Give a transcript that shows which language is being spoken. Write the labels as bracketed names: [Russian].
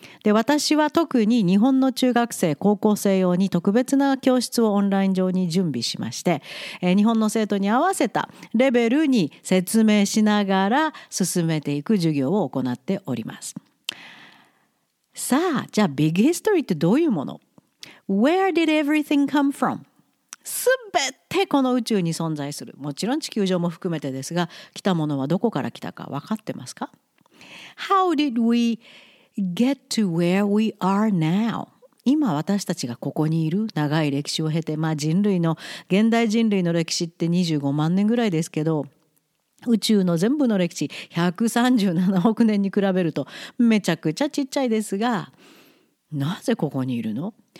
[Japanese] で、私は特に日本の中学生、高校生用に特別な教室をオンライン上に準備しまして、日本の生徒に合わせたレベルに説明しながら進めていく授業を行っております。さあ、じゃあビッグヒストリーってどういうもの？ [English] Where did everything come from? [Japanese] すべてこの宇宙に存在する、もちろん地球上も含めてですが、来たものはどこから来たか分かってますか？ [English] How did we get to where we are now? [Japanese] 今私たちがここにいる、長い歴史を経て、まあ人類の、現代人類の歴史って25万年ぐらいですけど、宇宙の全部の歴史137億年に比べるとめちゃくちゃちっちゃいですが、なぜここにいるの？